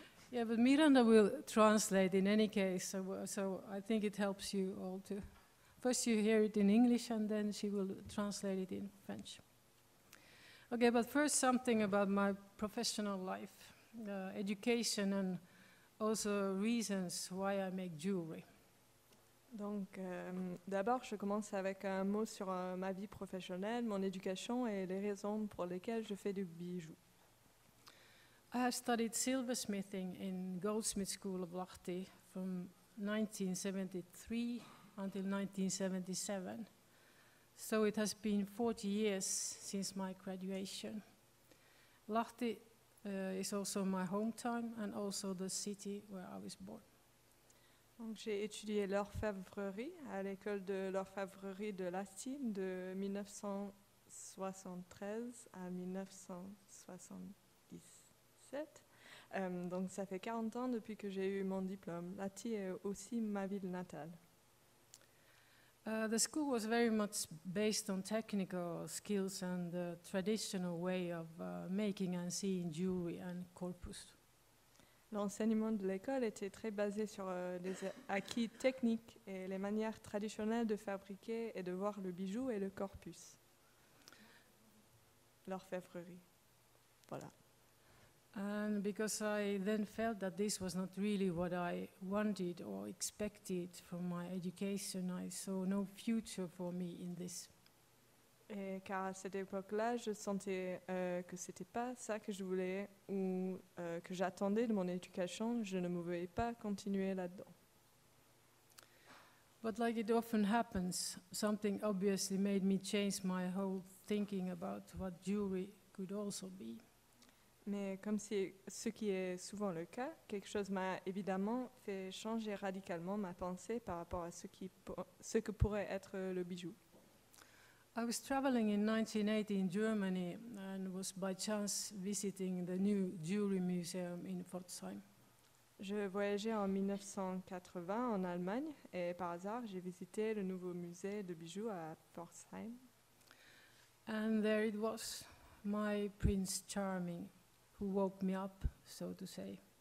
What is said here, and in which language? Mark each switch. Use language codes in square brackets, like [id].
[en] Yeah, but Miranda will translate in any case, so I think it helps you all to. First you hear it in English and then she will translate it in French. Okay, but first something about my professional life, education and also reasons why I make jewelry. [fr] Donc, d'abord, je commence avec un mot sur ma vie professionnelle, mon éducation et les raisons pour lesquelles je fais du bijou. [en] I have studied silversmithing in Goldsmith School of Lahti from 1973 until 1977. So it has been 40 years since my graduation. Lahti is also my hometown and also the city where I was born. [fr] Donc j'ai étudié l'orfèvrerie à l'école de l'orfèvrerie de Lahti de 1973 à 1977. Donc ça fait 40 ans depuis que j'ai eu mon diplôme. Lahti est aussi ma ville natale. [en] The school was very much based on technical skills and the traditional way of making and seeing jewelry and corpus. [fr] L'enseignement de l'école était très basé sur les acquis techniques et les manières traditionnelles de fabriquer et de voir le bijou et le corpus. L'orfèvrerie. Voilà. [en] And because I then felt that this was not really what I wanted or expected from my education, I saw no future for me in this. [fr] Et car à cette époque-là, je sentais que ce n'était pas ça que je voulais ou que j'attendais de mon éducation, je ne me voyais pas continuer là-dedans. [en] But like it often happens, something obviously made me change my whole thinking about what jewelry could also be. [fr] Mais comme c'est ce qui est souvent le cas, quelque chose m'a évidemment fait changer radicalement ma pensée par rapport à ce que pourrait être le bijou. [en] I was traveling in 1980 in Germany and was by chance visiting the new jewelry museum in Pforzheim. [fr] Je voyageais en 1980 en Allemagne et par hasard j'ai visité le nouveau musée de bijoux à Pforzheim. [en] And there it was, my Prince Charming, who woke me up, so to say.